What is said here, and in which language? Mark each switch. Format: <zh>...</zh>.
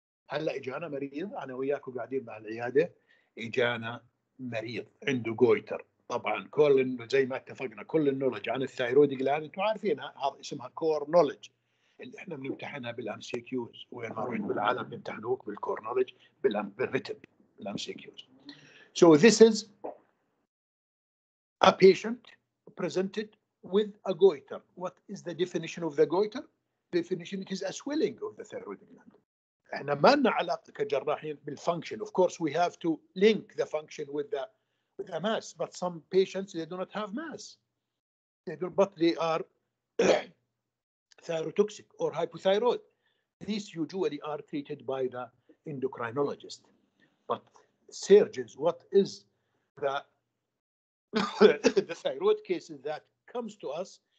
<ar>هلا اجانا مريض، انا وياكم قاعدين بهالعياده، اجانا مريض عنده جويتر. طبعا كل زي ما اتفقنا كل النولج عن الثايرويد جلاند انتم عارفينها، هذا اسمها كور نولج اللي احنا بنمتحنها بالام سي كيوز. وين ما رحت بالعالم بيمتحنوك بالكور نولج بالريتم بالام سي كيوز.</ar> <en>So this is a patient presented with a goiter. What is the definition of the goiter? Definition, it is a swelling of the thyroid gland.</en> <ar>احنا ما لنا علاقه كجراحين بالفانكشن.</ar> <en>Of course we have to link the function with the mass, but some patients they do not have mass. But they are thyrotoxic or hypothyroid. These usually are treated by the endocrinologist. But surgeons, what is the the thyroid cases that comes to us?</en>